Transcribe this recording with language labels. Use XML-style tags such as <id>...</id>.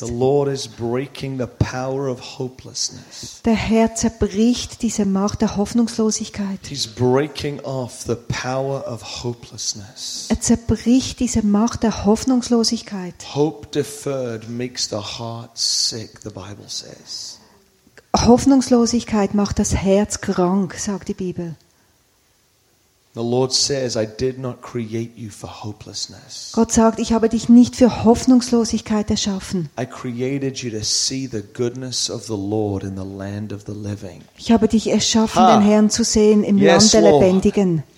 <en>The Lord is breaking the power of hopelessness.</en> <de>Der Herr zerbricht diese Macht der Hoffnungslosigkeit.</de> <en>He's breaking off the power of hopelessness.</en> <de>Er zerbricht diese Macht der Hoffnungslosigkeit.</de> <en>Hope deferred makes the heart sick, the Bible says.</en> <de>Hoffnungslosigkeit macht das Herz krank, sagt die Bibel.</de> <en>The Lord says, I did not create you for hopelessness.</en> <de>Gott sagt, ich habe dich nicht für Hoffnungslosigkeit erschaffen.</de> <en>I created you to see the goodness of the Lord in the land of the living.</en> <de>Ich habe dich erschaffen, den Herrn zu sehen im Land der Lebendigen.</de>